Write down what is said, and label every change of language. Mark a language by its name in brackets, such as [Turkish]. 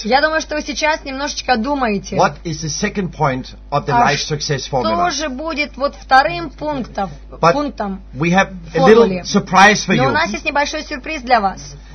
[Russian] Я думаю, что вы сейчас немножечко думаете. [English] What is the second point of the life success formula? [Russian] Что же будет вот вторым пунктом? Пунктом. [English] We have a little surprise for you. [Russian] Но у нас есть небольшой сюрприз для вас.